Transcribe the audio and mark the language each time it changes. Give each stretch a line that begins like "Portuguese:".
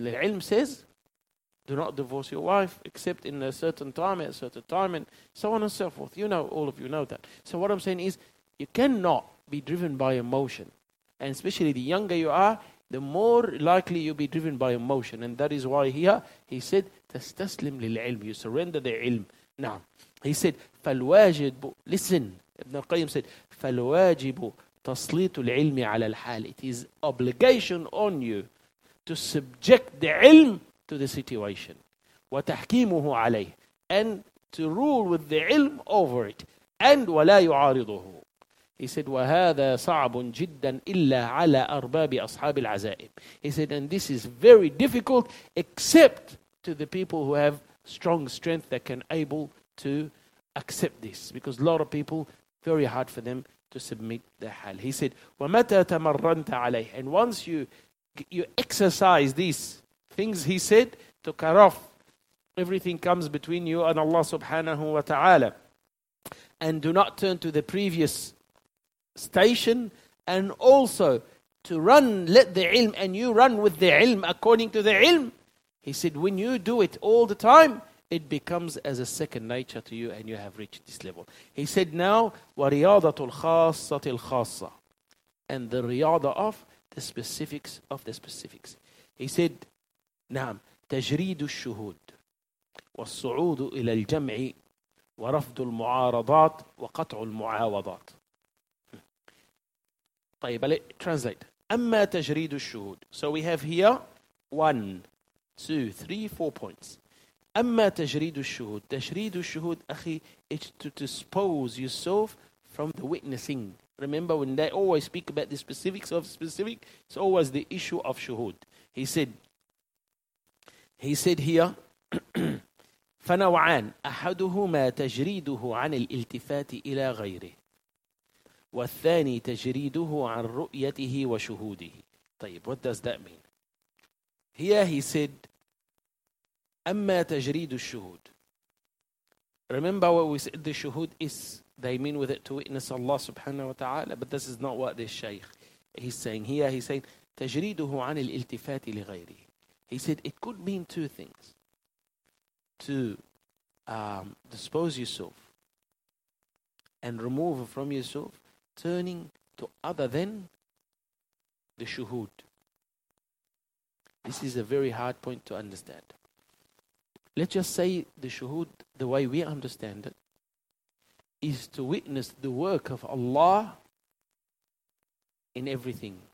English: Lil'ilm says, do not divorce your wife except in a certain time, at a certain time, and so on and so forth. You know, all of you know that. So what I'm saying is, you cannot be driven by emotion, and especially the younger you are, the more likely you'll be driven by emotion. And that is why here, he said,
Arabic: تَسْتَسْلِمْ لِلْعِلْمِ.
English: You surrender the ilm. Now, he said,
Arabic: فَالْوَاجِبُ.
English: Listen, Ibn al-Qayyim said,
Arabic: فَالْوَاجِبُ تَصْلِيتُ الْعِلْمِ عَلَى الْحَالِ.
English: It is obligation on you to subject the ilm to the situation.
Arabic: وَتَحْكِيمُهُ عَلَيْهِ.
English: And to rule with the ilm over it. And
Arabic: وَلَا يُعَارِضُهُ.
English: He said,
Arabic: وَهَذَا صَعْبٌ جِدًّا إِلَّا عَلَىٰ أَرْبَابِ أَصْحَابِ الْعَزَائِمِ.
English: He said, and this is very difficult except to the people who have strong strength that can able to accept this. Because a lot of people, very hard for them to submit the hal. He said,
Arabic: وَمَتَى تَمَرَّنْتَ عَلَيْهِ.
English: And once you exercise these things, he said, to cut off everything comes between you and Allah subhanahu wa ta'ala. And do not turn to the previous station, and also to run, let the ilm, and you run with the ilm according to the ilm. He said, when you do it all the time, it becomes as a second nature to you, and you have reached this level. He said, now,
Arabic: وَرِيَاضَةُ الْخَاصَّةِ الْخَاصَّةِ.
English: And the riyadah of the specifics of the specifics. He said,
Arabic: نعم, تَجْرِيدُ الشُّهُودِ والصعود إلى الجمع ورفض المعارضات وقطع المعاوضات. طيب,
English: translate.
Arabic: أما تجريد الشهود.
English: So we have here 1, 2, 3, 4 points.
Arabic: أما تجريد الشهود. تجريد الشهود أخي
English: is to dispose yourself from the witnessing. Remember when they always speak about the specifics of specific, it's always the issue of shuhud. He said here,
Arabic: فنوعان أحدهما تجريده عن الالتفات إلى غيره والثاني تجريده عن رؤيته وشهوده. طيب,
English: what does that mean? Here he said,
Arabic: أما تجريد الشهود.
English: Remember what we said, the shuhud is, they mean with it to witness Allah subhanahu wa ta'ala, but this is not what this shaykh is saying. Here he's saying,
Arabic: تجريده عن الالتفات لغيره.
English: He said, it could mean two things. To dispose yourself and remove from yourself, turning to other than the shuhud. This is a very hard point to understand. Let's just say the shuhud, the way we understand it, is to witness the work of Allah in everything.